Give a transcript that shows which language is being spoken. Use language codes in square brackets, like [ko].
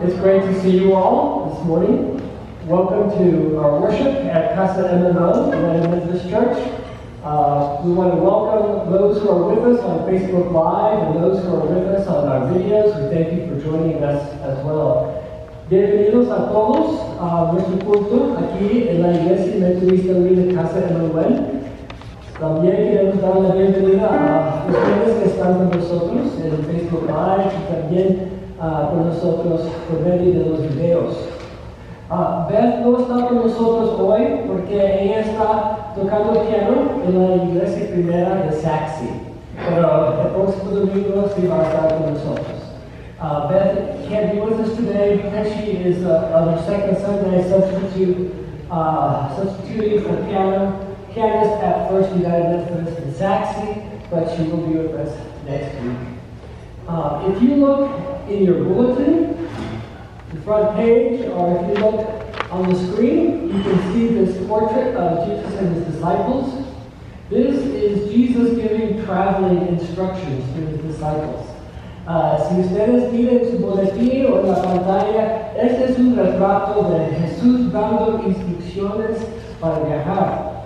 [en] It's great to see you all this morning. Welcome to our worship at Casa M&M, United Methodist Church. We want to welcome those who are with us on Facebook Live and those who are with us on our videos. We thank you for joining us as well. [es] Bienvenidos a todos a nuestro culto aquí en la Iglesia Metodista Unida Casa M&M. También queremos dar la bienvenida a ustedes que están con nosotros en Facebook Live y también con nosotros por medio de los videos. Beth no está con nosotros hoy porque ella está tocando piano en la iglesia primera de Saxi. Pero el próximo domingo sí va a estar con nosotros. [en] Beth can't be with us today because she is on her second Sunday substituting for piano. Pianist at First United Methodist in Saxi, but she will be with us next week. If you look in your bulletin, the front page, or if you look on the screen, you can see this portrait of Jesus and his disciples. This is Jesus giving traveling instructions to his disciples. [es] Si ustedes tienen su boletín o la pantalla, este es un retrato de Jesús dando instrucciones para viajar.